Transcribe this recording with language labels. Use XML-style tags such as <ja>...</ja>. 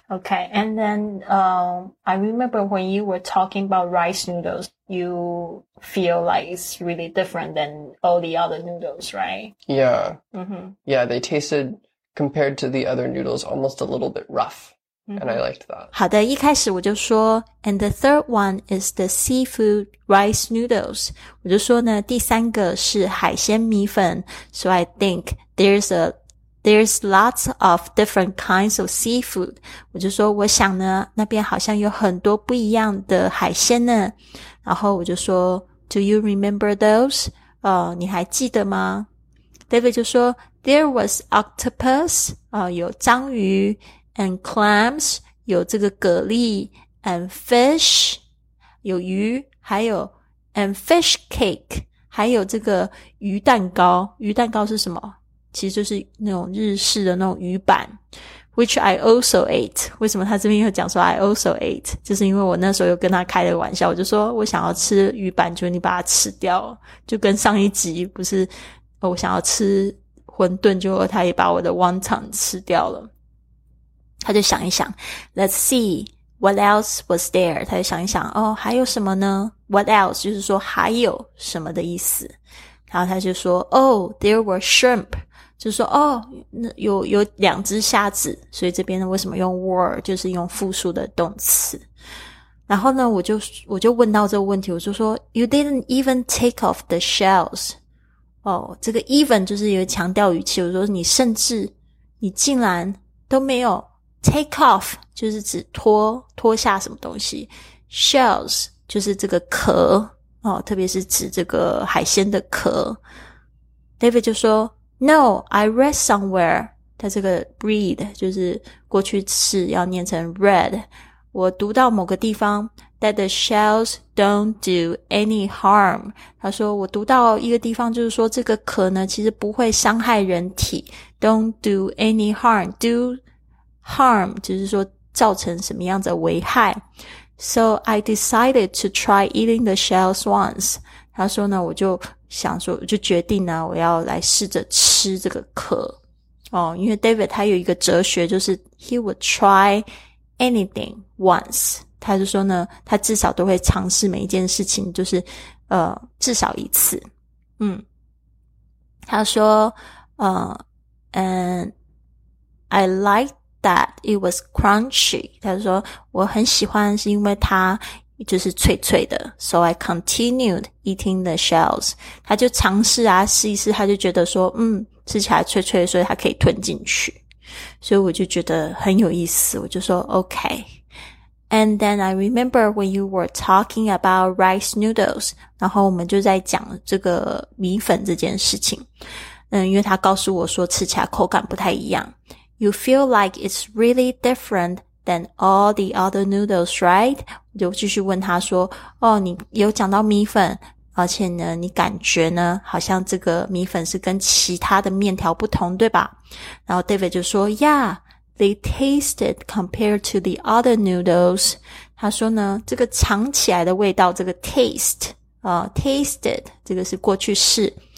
<en>Okay, and then I remember when you were talking about rice noodles, you feel like it's really different than all the other noodles, right? Yeah. Mm-hmm. Yeah, they tasted, compared to the other noodles, almost a little bit rough. And I liked that.</en> <zh>好的，一开始我就说</zh> <en>And the third one is the seafood rice noodles.</en> <zh>我就说呢，第三个是海鲜米粉。</zh> <en>So I think there's lots of different kinds of seafood.</en> <zh>我就说我想呢，那边好像有很多不一样的海鲜呢。然后我就说</zh> <en>Do you remember those?</en> <zh>你还记得吗？</zh> <en>David</en> <zh>就说</zh> <en>There was octopus,</en> <zh>有章鱼。</zh> <en>And clams,</en> <zh>有这个蛤蜊</zh> <en>and fish,</en> <zh>有鱼还有</zh> <en>and fish cake,</en> <zh>还有这个鱼蛋糕，鱼蛋糕是什么？其实就是那种日式的那种鱼板</zh> <en>which I also ate.</en> <zh>为什么他这边又讲说</zh> <en>I also ate?</en> <zh>就是因为我那时候又跟他开了玩笑，我就说我想要吃鱼板，就你把它吃掉，就跟上一集不是、哦、我想要吃馄饨，就他也把我的 wonton 吃掉了。他就想一想</zh> <en>Let's see what else was there.</en> <zh>他就想一想哦，还有什么呢？</zh> <en>What else</en> <zh>就是说还有什么的意思。然后他就说</zh> <en>Oh, there were shrimp.</en> <zh>就是说哦，有两只虾子。所以这边呢，为什么用 were 就是用复数的动词。然后呢我就问到这个问题，我就说</zh> <en>You didn't even take off the shells.</en> <zh>哦，这个 even 就是有强调语气，我说你甚至你竟然都没有</zh> <en>Take off</en> <zh>就是指脱下什么东西 ，shells 就是这个壳哦，特别是指这个海鲜的壳。</zh> <en>David</en> <zh>就说</zh> <en>：“No, I read somewhere。”</en> <zh>他这个 read 就是过去式，要念成 read。我读到某个地方</zh> <en>that the shells don't do any harm。</en> <zh>他说我读到一个地方，就是说这个壳呢，其实不会伤害人体 ，</zh> <en>don't do any harm。 Do harm</en> <zh>就是说造成什么样的危害。</zh> <en>So I decided to try eating the shells once.</en> <zh>他说呢，我就想说，我就决定呢，我要来试着吃这个壳。哦，因为 David 他有一个哲学，就是</zh> <en>he would try anything once.</en> <zh>他就说呢，他至少都会尝试每一件事情，就是至少一次。嗯，他说</zh> <en>and I likedThat it was crunchy.</en> <zh>他说我很喜欢是因为它就是脆脆的。</zh> <en>So I continued eating the shells.</en> <zh>他就尝试啊试一试，他就觉得说吃起来脆脆的，所以他可以吞进去。所以我就觉得很有意思，我就说 OK.</zh> <en>And then I remember when you were talking about rice noodles.</en> <zh>然后我们就在讲这个米粉这件事情。因为他告诉我说吃起来口感不太一样。</zh> <en>You feel like it's really different than all the other noodles, right?</en> <zh>我就继续问他说，哦，你有讲到米粉，而且呢，你感觉呢，好像这个米粉是跟其他的面条不同，对吧？然后</zh> <en>David</en> <zh>就说</zh> <en>,Yeah,They tasted compared to the other noodles.</en> <zh>他说呢，这个尝起来的味道，这个 taste, tasted, 这个是过去式。</zh>